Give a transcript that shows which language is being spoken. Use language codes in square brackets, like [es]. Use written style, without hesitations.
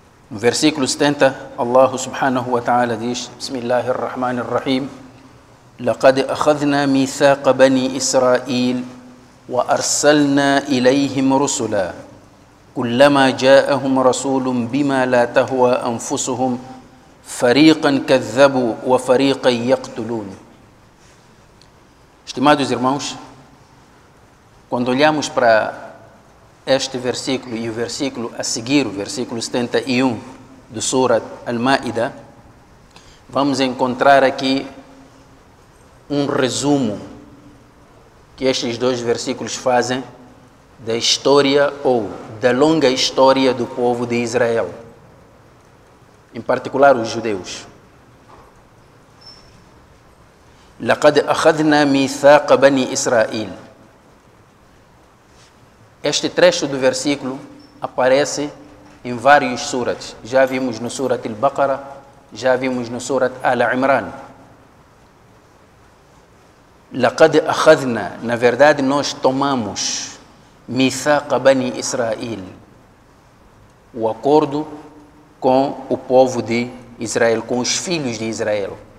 [pt] No versículo 70, Allah subhanahu wa ta'ala diz: [ar] Bismillah ar-Rahman ar-Rahim, لقد أخذنا ميثاق بني إسرائيل وأرسلنا إليهم رسلا كلما جاءهم رسول بما لا تهوى أنفسهم فريقا كذبوا وفريقا يقتلون. [pt] Estimados irmãos, quando olhamos para este versículo e o versículo a seguir, o versículo 71 do Surat Al-Ma'idah, vamos encontrar aqui um resumo que estes dois versículos fazem da história ou da longa história do povo de Israel, em particular os judeus. [ar] لقد أخذنا ميثاق بني إسرائيل. [pt] Este trecho do versículo aparece em vários surat. Já vimos no Surat Al-Baqara, já vimos no Surat Al-Imran. [ar] لقد أخذنا, [pt] na verdade nós tomamos, [ar] ميثاق بني إسرائيل, [pt] o acordo com o povo de Israel, com os filhos de Israel.